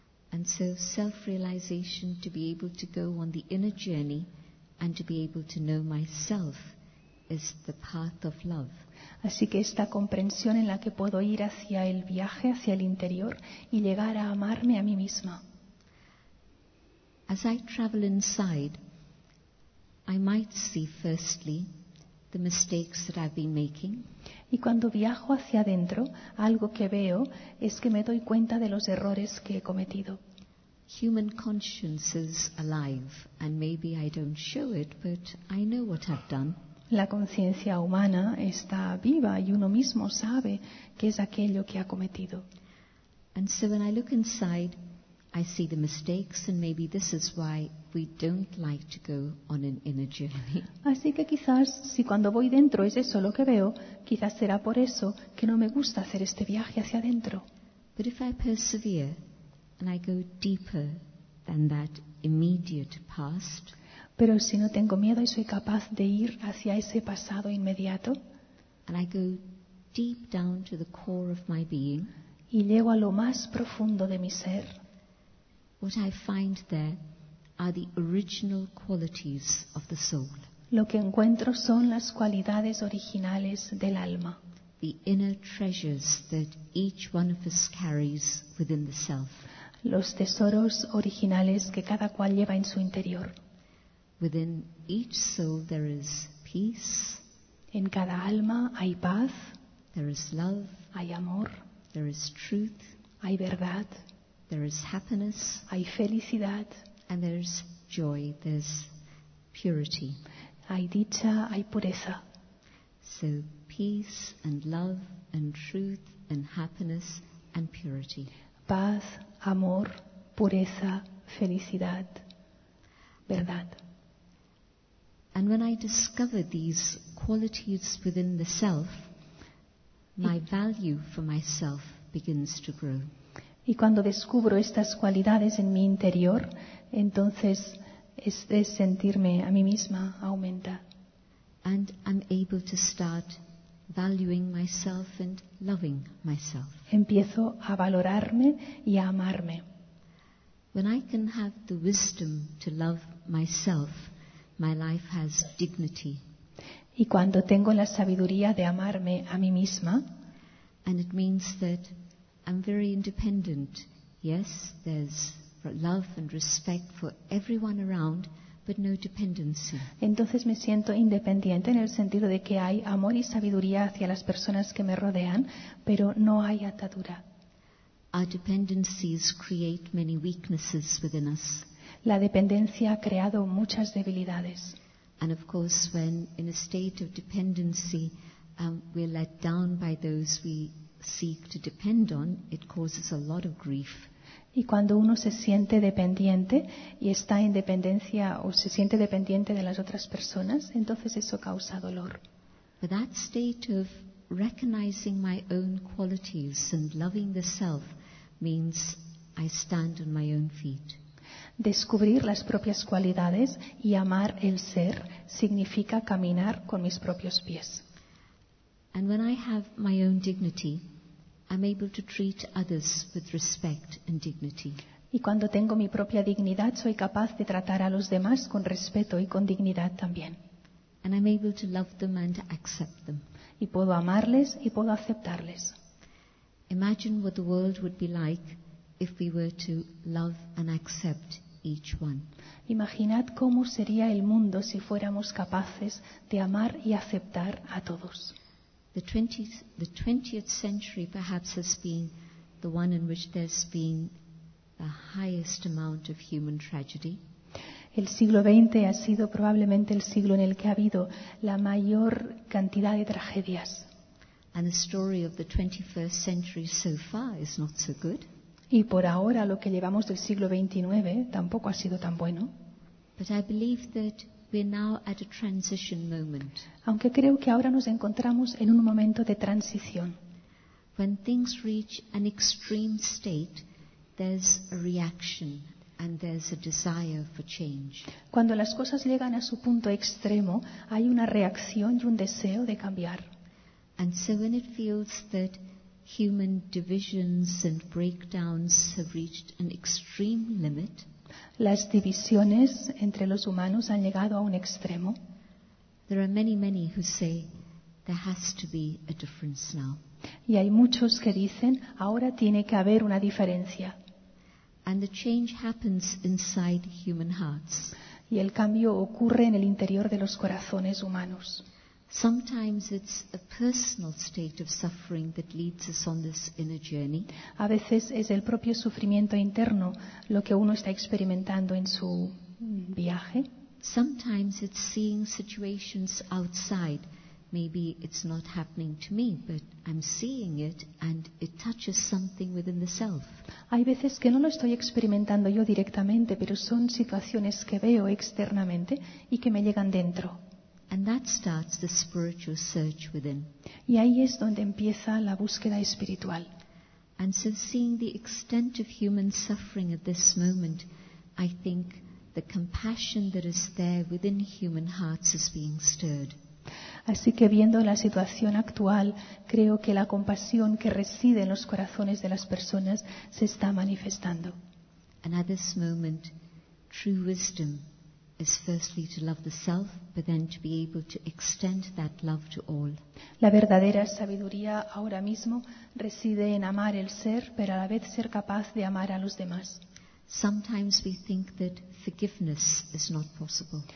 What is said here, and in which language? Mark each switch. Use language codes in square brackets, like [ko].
[en] And so self-realization, to be able to go on the inner journey and to be able to know myself, is the path of love. [es] Así que esta comprensión en la que puedo ir hacia el viaje, hacia el interior, y llegar a amarme a mí misma. [en] As I travel inside, I might see firstly the mistakes that I've been making. [es] Y cuando viajo hacia adentro, algo que veo es que me doy cuenta de los errores que he cometido. [en] Human conscience is alive, and maybe I don't show it, but I know what I've done. [es] La conciencia humana está viva y uno mismo sabe qué es aquello que ha cometido. [en] And so when I look inside, I see the mistakes, and maybe this is why we don't like to go on an inner journey. [es] Así que quizás si cuando voy dentro es eso lo que veo, quizás será por eso que no me gusta hacer este viaje hacia adentro. [en] But if I persevere, and I go deeper than that immediate past, [es] pero si no tengo miedo y soy capaz de ir hacia ese pasado inmediato, [en] and I go deep down to the core of my being, [es] y llego a lo más profundo de mi ser, [en] what I find there are the original qualities of the soul. [es] Lo que encuentro son las cualidades originales del alma. [en] The inner treasures that each one of us carries within the self. [es] Los tesoros originales que cada cual lleva en su interior. [en] Within each soul there is peace. [es] En cada alma hay paz. [en] There is love. [es] Hay amor. [en] There is truth. [es] Hay verdad. [en] There is happiness. [es] Hay felicidad. [en] And there's joy, there's purity. [es] Hay dicha, hay pureza. [en] So peace and love and truth and happiness and purity. [es] Paz, amor, pureza, felicidad, verdad. [en] And when I discover these qualities within the self, my value for myself begins to grow. [es] Y cuando descubro estas cualidades en mi interior, entonces este sentirme a mí misma aumenta. [en] And I'm able to start valuing myself and loving myself. [es] Empiezo a valorarme y a amarme. [en] When I can have the wisdom to love myself, my life has dignity. [es] Y cuando tengo la sabiduría de amarme a mí misma, [en] and it means that I'm very independent. Yes, there's love and respect for everyone around, but no dependency. [es] Entonces me siento independiente en el sentido de que hay amor y sabiduría hacia las personas que me rodean, pero no hay atadura. [en] Our dependencies create many weaknesses within us. [es] La dependencia ha creado muchas debilidades. [en] And of course, when in a state of dependency, we're let down by those we seek to depend on, it causes a lot of grief. [es] Y cuando uno se siente dependiente y está en dependencia o se siente dependiente de las otras personas, entonces eso causa dolor. [en] But that state of recognizing my own qualities and loving the self means I stand on my own feet. [es] Descubrir las propias cualidades y amar el ser significa caminar con mis propios pies. [en] And when I have my own dignity, I'm able to treat others with respect and dignity. [es] Y cuando tengo mi propia dignidad, soy capaz de tratar a los demás con respeto y con dignidad también. [en] And I'm able to love them and accept them. [es] Y puedo amarles y puedo aceptarles. [en] Imagine what the world would be like if we were to love and accept each one. [es] Imaginad cómo sería el mundo si fuéramos capaces de amar y aceptar a todos. [en] The 20th century perhaps has been the one in which there's been the highest amount of human tragedy. [es] El siglo XX ha sido probablemente el siglo en el que ha habido la mayor cantidad de tragedias. [en] And the story of the 21st century so far is not so good. [es] Y por ahora lo que llevamos del siglo XXIX tampoco ha sido tan bueno. [en] But I believe that we're now at a transition moment. [es] Aunque creo que ahora nos encontramos en un momento de transición. [en] When things reach an extreme state, there's a reaction and there's a desire for change. [es] Cuando las cosas llegan a su punto extremo, hay una reacción y un deseo de cambiar. [en] And so when it feels that human divisions and breakdowns have reached an extreme limit, [es] las divisiones entre los humanos han llegado a un extremo. [en] There are many, many who say there has to be a difference now. [es] Y hay muchos que dicen ahora tiene que haber una diferencia. [en] And the change happens inside human hearts. [es] Y el cambio ocurre en el interior de los corazones humanos. [en] Sometimes it's a personal state of suffering that leads us on this inner journey. [es] A veces es el propio sufrimiento interno lo que uno está experimentando en su viaje. [en] Sometimes it's seeing situations outside. Maybe it's not happening to me, but I'm seeing it and it touches something within the self. [es] Hay veces que no lo estoy experimentando yo directamente, pero son situaciones que veo externamente y que me llegan dentro. [en] And that starts the spiritual search within. [es] Y ahí es donde empieza la búsqueda espiritual. [en] And so seeing the extent of human suffering at this moment, I think the compassion that is there within human hearts is being stirred. [es] Así que viendo la situación actual, creo que la compasión que reside en los corazones de las personas se está manifestando. [en] And at this moment, true wisdom is firstly to love the self, but then to be able to extend that love to all. [es] La verdadera sabiduría ahora mismo reside en amar el ser, pero a la vez ser capaz de amar a los demás. [en] Sometimes we think that forgiveness is not possible.